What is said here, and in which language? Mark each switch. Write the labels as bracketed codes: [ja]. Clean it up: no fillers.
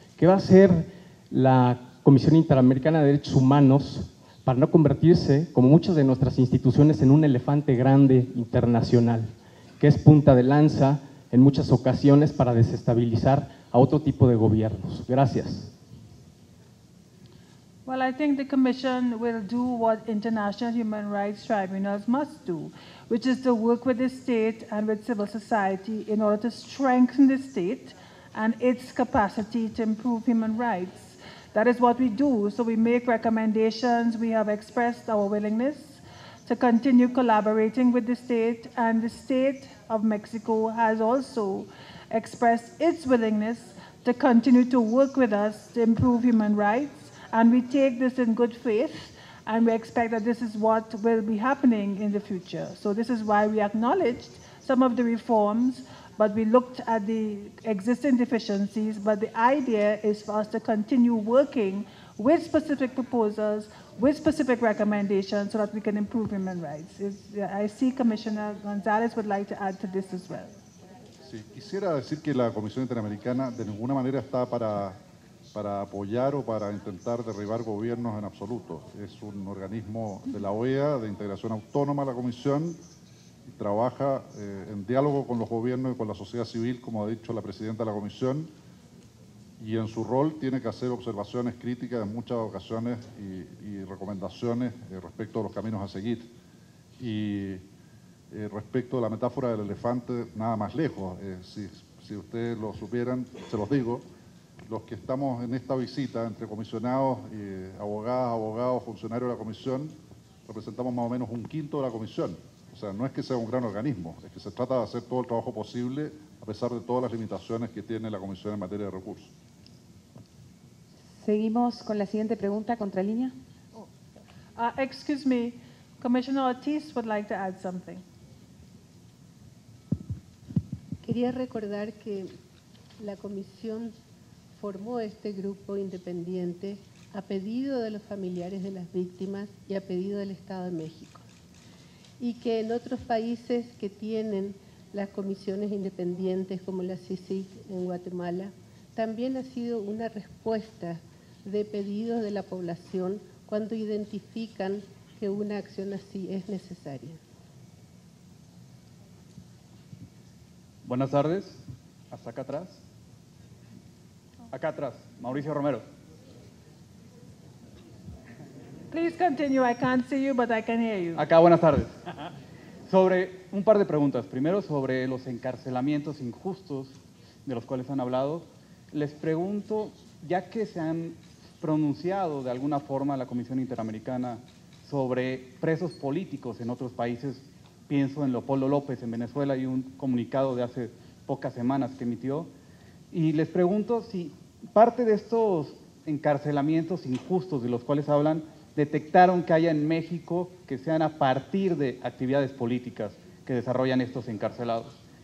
[es] ¿Qué va a hacer la Comisión Interamericana de Derechos Humanos para no convertirse, como muchas de nuestras instituciones, en un elefante grande internacional, que es punta de lanza en muchas ocasiones para desestabilizar a otro tipo de gobiernos? Gracias. [en] Well, I think the Commission will do what international human rights tribunals must do, which is to work with the state and with civil society in order to strengthen the state and its capacity to improve human rights. That is what we do. So we make recommendations, we have expressed our willingness to continue collaborating with the state, and the state of Mexico has also expressed its willingness to continue to work with us to improve human rights, and we take this in good faith, and we expect that this is what will be happening in the future. So this is why we acknowledged some of the reforms, but we looked at the existing deficiencies, but the idea is for us to continue working with specific proposals, with specific recommendations, so that we can improve human rights. I see Commissioner Gonzalez would like to add to this as well. [es] Quisiera decir que la Comisión Interamericana de ninguna manera está para apoyar o para intentar derribar gobiernos en absoluto. Es un organismo de la OEA, de integración autónoma a la Comisión, y trabaja en diálogo con los gobiernos y con la sociedad civil, como ha dicho la presidenta de la Comisión, y en su rol tiene que hacer observaciones críticas en muchas ocasiones y recomendaciones respecto a los caminos a seguir. Y respecto a la metáfora del elefante, nada más lejos, si ustedes lo supieran, se los digo, los que estamos en esta visita entre comisionados, abogadas, abogados, funcionarios de la Comisión, representamos más o menos un quinto de la Comisión. O sea, no es que sea un gran organismo, es que se trata de hacer todo el trabajo posible a pesar de todas las limitaciones que tiene la Comisión en materia de recursos. Seguimos con la siguiente pregunta, contralínea. [en] Excuse me, Commissioner Ortiz would like to add something. [es] Quería recordar que la Comisión formó este grupo independiente a pedido de los familiares de las víctimas y a pedido del Estado de México. y que en otros países que tienen las comisiones independientes como la CICIG en Guatemala, también ha sido una respuesta de pedidos de la población cuando identifican que una acción así es necesaria. Buenas tardes. Hasta acá atrás. Acá atrás, Mauricio Romero. [en] Please continue, I can't see you, but I can hear you. [es] Acá, buenas tardes. Sobre un par de preguntas. Primero, sobre los encarcelamientos injustos de los cuales han hablado. Les pregunto, ya que se han pronunciado de alguna forma la Comisión Interamericana sobre presos políticos en otros países, pienso en Leopoldo López en Venezuela y un comunicado de hace pocas semanas que emitió, y les pregunto si parte de estos encarcelamientos injustos de los cuales hablan, detectaron que haya en México que sean a partir de actividades políticas que desarrollan estos encarcelados.